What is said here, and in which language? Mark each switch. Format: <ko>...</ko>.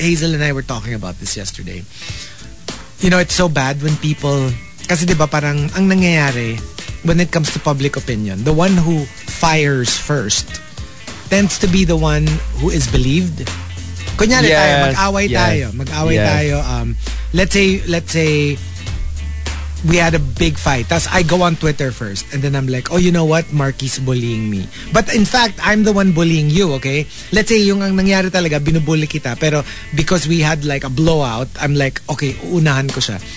<en>Hazel and I were talking about this yesterday. You know, it's so bad when people,</en> <tl>kasi diba parang, ang nangyayari,</tl> <en>when it comes to public opinion, the one who fires first tends to be the one who is believed.</en> <tl>Kunyari, yes, tayo, mag-away tayo.</tl> <en>Let's say, we had a big fight. Tapos I go on Twitter first. And then I'm like, oh, you know what? Marky's bullying me. But in fact, I'm the one bullying you, okay? Let's say,</en> <tl>yung ang nangyari talaga, binubully kita.</tl> <en>Pero because we had like a blowout, I'm like, okay,</en> <tl>unahan ko siya.</tl>